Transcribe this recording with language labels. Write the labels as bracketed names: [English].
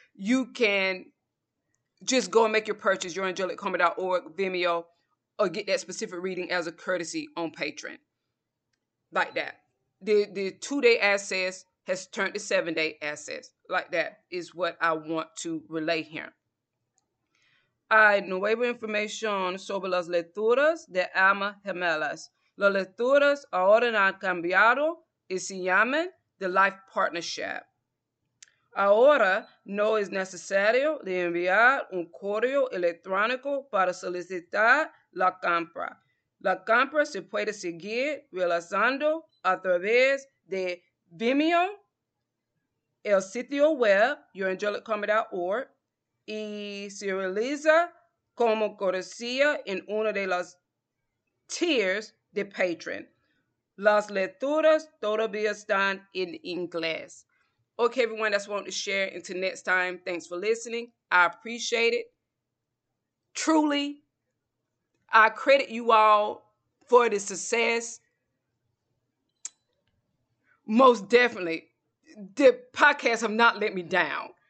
[English] You can just go and make your purchase, yourangeliccarma.org, Vimeo, or get that specific reading as a courtesy on Patreon. Like that. The 2-day access has turned to 7-day access. Like that is what I want to relay here. [Spanish] Hay nueva información sobre las lecturas de almas gemelas. Las lecturas ahora han cambiado y se llaman The Life Partnership. Ahora no es necesario de enviar un correo electrónico para solicitar la compra. La compra se puede seguir realizando a través de Vimeo, el sitio web, yourangeliccarma.org, y se realiza como cortesía en una de las tiers de Patreon. Las lecturas todavía están en inglés. [English] Okay, everyone, that's what I want to share. Until next time, thanks for listening. I appreciate it. Truly. I credit you all for the success. Most definitely, the podcast have not let me down.